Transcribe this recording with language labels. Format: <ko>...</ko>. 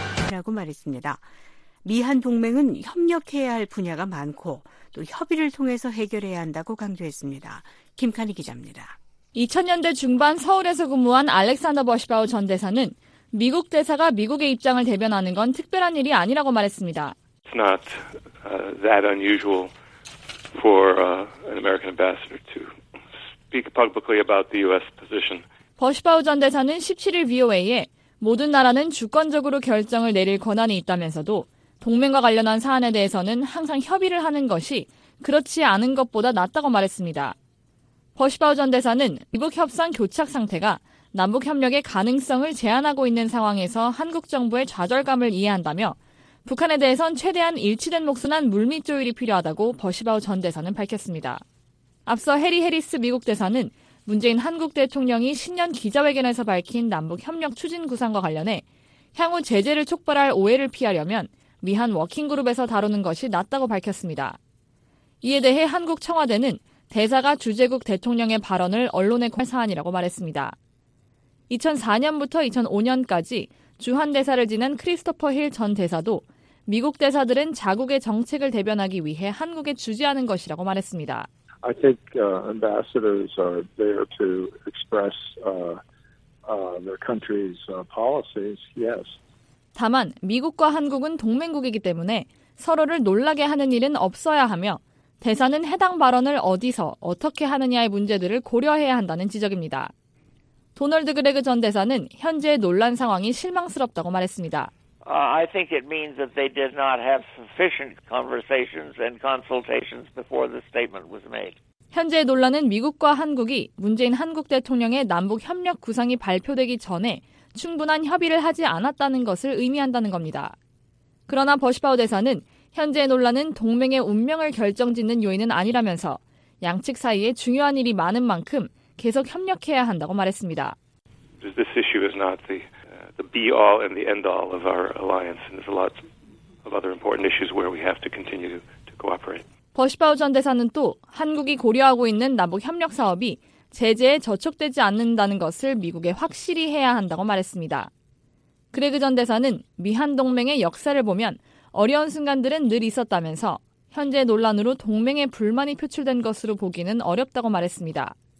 <ko>라고 말했습니다. 미한 동맹은 협력해야 할 분야가 많고 또 협의를 통해서 해결해야 한다고 강조했습니다. 김카니 기자입니다. 2000년대 중반 서울에서 근무한 알렉산더 버시바우 전 대사는 미국 대사가 미국의 입장을 대변하는 건 특별한 일이 아니라고 말했습니다.</ko> <en>It's not that unusual for an American ambassador to speak publicly about the U.S. position.</en> <ko>버시바우 전 대사는 17일 VOA에 모든 나라는 주권적으로 결정을 내릴 권한이 있다면서도 동맹과 관련한 사안에 대해서는 항상 협의를 하는 것이 그렇지 않은 것보다 낫다고 말했습니다. 버시바우 전 대사는 미북 협상 교착 상태가 남북협력의 가능성을 제한하고 있는 상황에서 한국 정부의 좌절감을 이해한다며 북한에 대해선 최대한 일치된 목소리와 물밑 조율이 필요하다고 버시바우 전 대사는 밝혔습니다. 앞서 해리 해리스 미국 대사는 문재인 한국 대통령이 신년 기자회견에서 밝힌 남북협력 추진 구상과 관련해 향후 제재를 촉발할 오해를 피하려면 미한 워킹그룹에서 다루는 것이 낫다고 밝혔습니다. 이에 대해 한국 청와대는 대사가 주재국 대통령의 발언을 언론에 관할 사안이라고 말했습니다. 2004년부터 2005년까지 주한대사를 지낸 크리스토퍼 힐 전 대사도 미국 대사들은 자국의 정책을 대변하기 위해 한국에 주재하는 것이라고 말했습니다.</ko> <en>I think ambassadors are there to express their country's policies, yes.</en> <ko>다만 미국과 한국은 동맹국이기 때문에 서로를 놀라게 하는 일은 없어야 하며 대사는 해당 발언을 어디서 어떻게 하느냐의 문제들을 고려해야 한다는 지적입니다. 도널드 그레그 전 대사는 현재의 논란 상황이 실망스럽다고 말했습니다.</ko> <en>I think it means that they did not have sufficient conversations and consultations before the statement was made.</en> <ko>현재의 논란은 미국과 한국이 문재인 한국 대통령의 남북 협력 구상이 발표되기 전에 충분한 협의를 하지 않았다는 것을 의미한다는 겁니다. 그러나 버시바우 대사는 현재의 논란은 동맹의 운명을 결정짓는 요인은 아니라면서 양측 사이에 중요한 일이 많은 만큼 계속 협력해야 한다고 말했습니다.</ko> <en>This issue is not the be-all and the end-all of our alliance. And there's a lot of other important issues where we have to continue to cooperate.</en> <ko>버시바우 전 대사는 또 한국이 고려하고 있는 남북 협력 사업이 제재에 저촉되지 않는다는 것을 미국에 확실히 해야 한다고 말했습니다. 그레그 전 대사는 미한 동맹의 역사를 보면 어려운 순간들은 늘 있었다면서 현재 논란으로 동맹의 불만이 표출된 것으로 보기는 어렵다고 말했습니다.</ko>